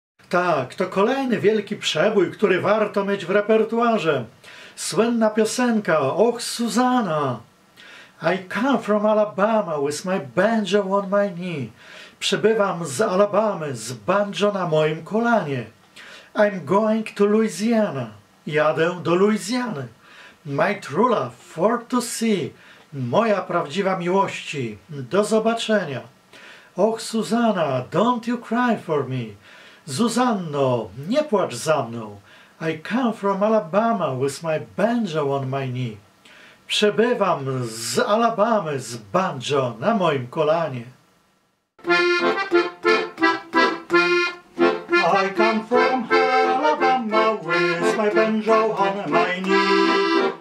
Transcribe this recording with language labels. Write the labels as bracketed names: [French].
[Polish] Tak, to kolejny wielki przebój, który warto mieć w repertuarze. Słynna piosenka, Och, Susanna. [English] I come from Alabama with my banjo on my knee. [Polish] Przybywam z Alabamy z banjo na moim kolanie. [English] I'm going to Louisiana. [Polish] Jadę do Louisiany. [English] My true love for to see. [Polish] Moja prawdziwa miłości. Do zobaczenia. [English] Och, Susanna, don't you cry for me. [Polish] Zuzanno, nie płacz za mną. [English] I come from Alabama with my banjo on my knee. [Polish] Przebywam z Alabamy z banjo na moim kolanie. [English] I come from Alabama with my banjo on my knee.